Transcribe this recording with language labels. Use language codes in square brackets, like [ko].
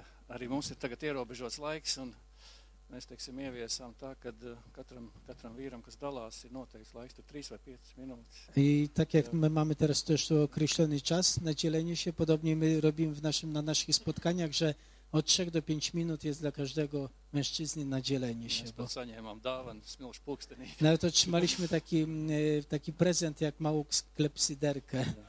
[lv] Arī mums ir tagad ierobežots laiks, un mēs, teiksim, ieviesām tā, kad katram vīram, kas dalās, ir noteikts laiks, tur 3 vai 5 minūtes. [pl] I tak jak my mamy teraz też określony czas na dzielenie się, podobnie my robimy na naszych spotkaniach, że od 3 do 5 minut jest dla każdego mężczyzny na dzielenie się. [lv] Mēs pat saņēmām dāvanu, smilšu pulksteni. [pl] Nawet otrzymaliśmy taki prezent, jak małą klepsiderkę.